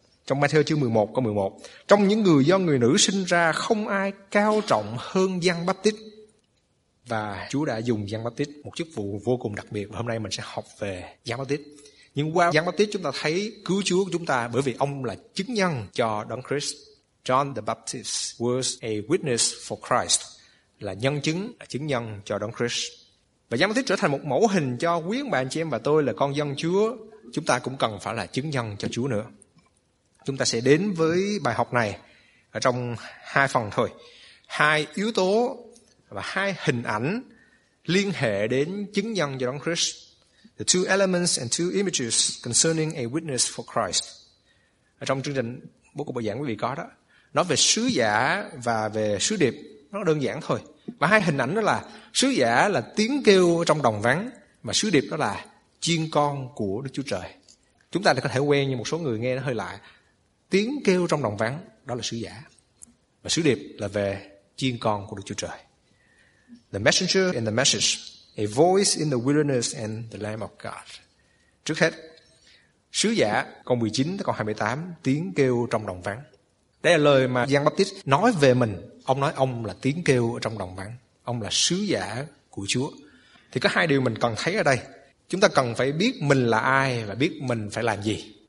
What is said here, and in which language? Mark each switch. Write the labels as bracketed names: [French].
[Vietnamese] Trong Ma-thi-ơ chương 11 câu 11, trong những người do người nữ sinh ra không ai cao trọng hơn Giăng Báp-tít. Và Chúa đã dùng Giăng Báp-tít, một chức vụ vô cùng đặc biệt. Và hôm nay mình sẽ học về Giăng Báp-tít. Nhưng qua Giăng Báp-tít chúng ta thấy cứu Chúa của chúng ta, bởi vì ông là chứng nhân cho Đấng Christ. [English] John the Baptist was a witness for Christ. [Vietnamese] Là nhân chứng, là chứng nhân cho Đấng Christ. Và Giăng Báp-tít trở thành một mẫu hình cho quý ông bà anh chị em và tôi là con dân Chúa. Chúng ta cũng cần phải là chứng nhân cho Chúa nữa. Chúng ta sẽ đến với bài học này ở trong hai phần thôi. Hai yếu tố và hai hình ảnh liên hệ đến chứng nhân cho Đấng Christ. [English] The two elements and two images concerning a witness for Christ. [Vietnamese] Ở trong chương trình bố cục bài giảng quý vị có đó, nói về sứ giả và về sứ điệp, nó đơn giản thôi. Và hai hình ảnh đó là sứ giả là tiếng kêu trong đồng vắng, mà sứ điệp đó là chiên con của Đức Chúa Trời. Chúng ta có thể quen, như một số người nghe nó hơi lạ, tiếng kêu trong đồng vắng đó là sứ giả, và sứ điệp là về chiên con của Đức Chúa Trời. [English] The messenger and the message, a voice in the wilderness and the Lamb of God. [Vietnamese] Trước hết, sứ giả, câu 19 tới câu 28, tiếng kêu trong đồng vắng. Đây là lời mà Giăng Báp-tít nói về mình. Ông nói ông là tiếng kêu ở trong đồng vắng. Ông là sứ giả của Chúa. Thì có hai điều mình cần thấy ở đây. Chúng ta cần phải biết mình là ai và biết mình phải làm gì.